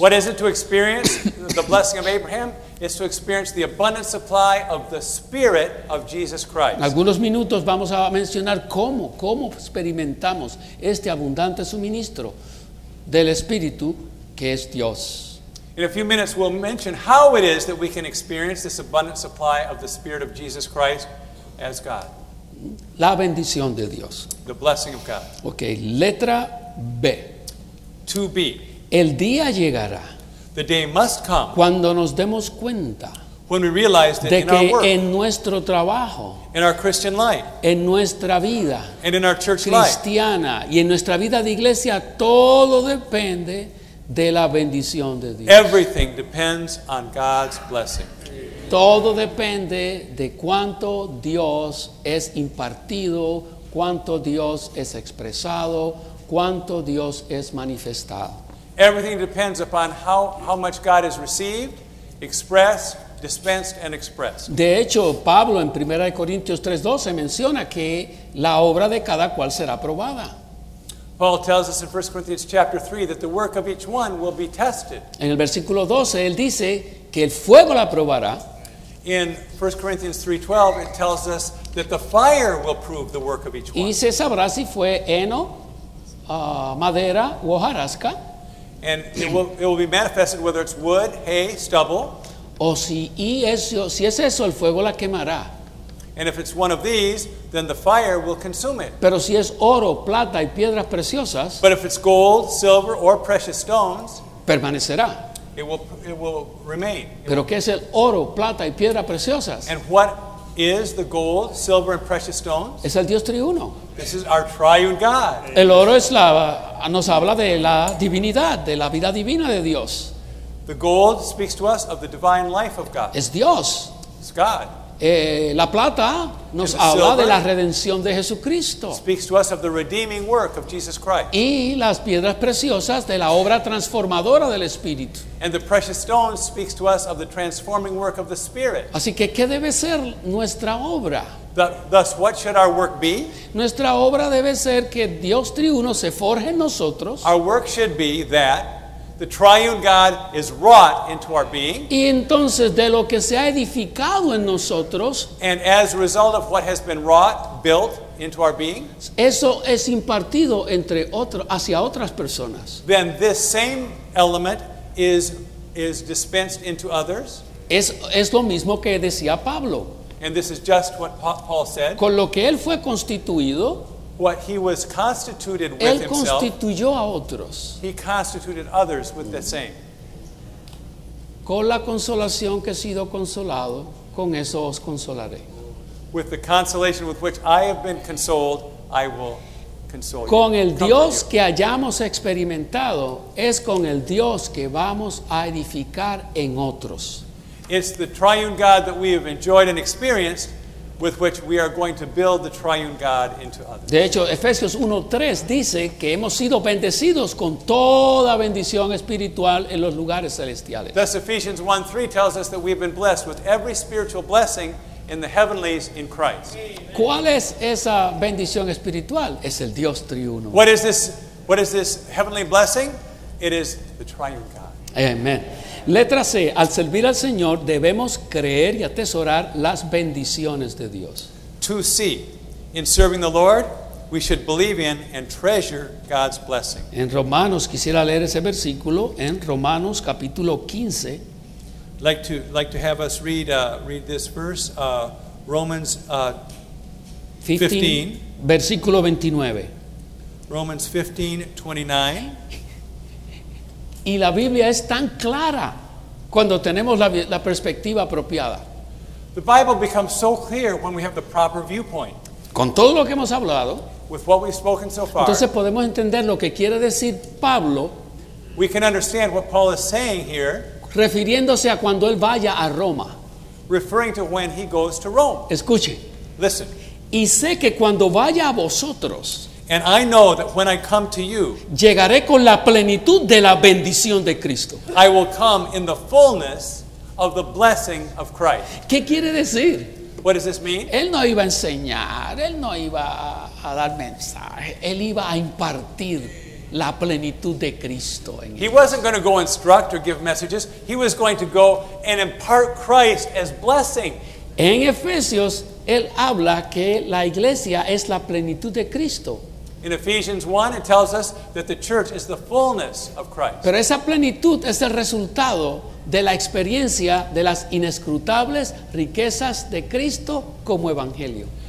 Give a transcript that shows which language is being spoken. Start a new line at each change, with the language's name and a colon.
English: What is it to experience the blessing of Abraham? It's to experience the abundant supply of the Spirit of Jesus Christ.
Spanish: En algunos minutos vamos a mencionar cómo experimentamos este abundante suministro del Espíritu que es Dios.
English: In a few minutes, we'll mention how it is that we can experience this abundant supply of the Spirit of Jesus Christ as God.
Spanish: La bendición de Dios.
English: The blessing of God.
Spanish: Okay, letra B.
English: 2B.
Spanish: El día llegará.
English: The day must come.
Spanish: Cuando nos demos cuenta.
English: When we realize that
Spanish: de
English: in our work.
Spanish: En nuestro trabajo.
English: In our Christian life.
Spanish: En nuestra vida.
English: And in our church
Spanish: cristiana,
English: life.
Spanish: Cristiana. Y en nuestra vida de iglesia, todo depende de la bendición de Dios.
English: Everything depends on God's blessing.
Spanish: Todo depende de cuánto Dios es impartido, cuánto Dios es expresado, cuánto Dios es manifestado.
English: Everything depends upon how much God is received, expressed, dispensed, and expressed.
Spanish: De hecho, Pablo en 1 Corintios 3:12 menciona que la obra de cada cual será probada.
English: Paul tells us in 1 Corinthians chapter 3 that the work of each one will be tested.
Spanish: En el versículo 12, él dice que el fuego la probará.
English: In 1 Corinthians 3:12, it tells us that the fire will prove the work of each one.
Spanish: Y se sabrá si fue heno, madera, o hojarasca.
English: And it will be manifested whether it's wood, hay, stubble.
Spanish: O si es eso, el fuego la quemará.
English: And if it's one of these, then the fire will consume it.
Spanish: Pero si es oro, plata y piedras preciosas,
English: but if it's gold, silver, or precious stones,
Spanish: permanecerá.
English: It will remain.
Spanish: Pero ¿qué es el oro, plata y piedras preciosas?
English: And what is the gold, silver, and precious stones?
Spanish: Es el Dios triuno.
English: This is our triune God.
Spanish: El oro es la, nos habla de la divinidad, de la vida divina de Dios.
English: The gold speaks to us of the divine life of God.
Spanish: Es Dios.
English: It's God.
Spanish: La plata nos habla de la redención de Jesucristo.
English: Speaks to us of the redeeming work of Jesus Christ.
Spanish: Y las piedras preciosas de la obra transformadora del Espíritu.
English: And the precious stone speaks to us of the transforming work of the Spirit.
Spanish: Así que, ¿qué debe ser nuestra obra?
English: Thus, what should our work be?
Spanish: Nuestra obra debe ser que Dios triuno se forje en nosotros.
English: Our work should be that the triune God is wrought into our being.
Spanish: Y entonces, de lo que se ha edificado en nosotros,
English: and as a result of what has been wrought, built into our being,
Spanish: eso es impartido entre otro, hacia otras personas.
English: Then this same element is dispensed into others.
Spanish: Es lo mismo que decía Pablo.
English: And this is just what Paul said.
Spanish: Con lo que él fue constituido,
English: what he was constituted with
Spanish: él
English: himself,
Spanish: constituyó a otros.
English: He constituted others with the same.
Spanish: Con la consolación que he sido consolado, con eso os consolaré.
English: With the consolation with which I have been consoled, I will console you.
Spanish: Con el Dios que hayamos experimentado, es con el Dios que vamos a edificar en otros.
English: It's the triune God that we have enjoyed and experienced with which we are going to build the triune God into others.
Spanish: De hecho, Efesios 1:3 dice que hemos sido bendecidos con toda bendición espiritual en los lugares celestiales.
English: Thus, Ephesians 1:3 tells us that we've been blessed with every spiritual blessing in the heavenlies in Christ.
Spanish: ¿Cuál es esa bendición espiritual? Es el Dios triuno.
English: What is this heavenly blessing? It is the triune God. Amen.
Spanish: Letra C, al servir al Señor debemos creer y atesorar las bendiciones de Dios.
English: 2C, in serving the Lord, we should believe in and treasure God's blessing.
Spanish: En Romanos, quisiera leer ese versículo, en Romanos capítulo 15.
English: Like to have us read this verse, Romans 15,
Spanish: versículo 29.
English: Romans 15:29.
Spanish: Y la Biblia es tan clara cuando tenemos la perspectiva apropiada.
English: The Bible becomes so clear when we have the proper viewpoint.
Spanish: Con todo lo que hemos hablado,
English: with what we've spoken so far,
Spanish: entonces podemos entender lo que quiere decir Pablo.
English: We can understand what Paul is saying here,
Spanish: refiriéndose a cuando él vaya a Roma.
English: Referring to when he goes to Rome.
Spanish: Escuche.
English: Listen.
Spanish: Y sé que cuando vaya a vosotros,
English: and I know that when I come to you,
Spanish: llegaré con la plenitud de la bendición de Cristo.
English: I will come in the fullness of the blessing of Christ.
Spanish: ¿Qué quiere decir?
English: What does this mean?
Spanish: Él no iba a enseñar, él no iba a dar mensaje, él iba a impartir la plenitud de Cristo en
English: él. He wasn't going to go instruct or give messages. He was going to go and impart Christ as blessing.
Spanish: En Efesios él habla que la iglesia es la plenitud de Cristo.
English: In Ephesians 1, it tells us that the church is the fullness of Christ.
Spanish: Pero esa plenitud es el resultado de la experiencia de las inescrutables riquezas de Cristo como evangelio.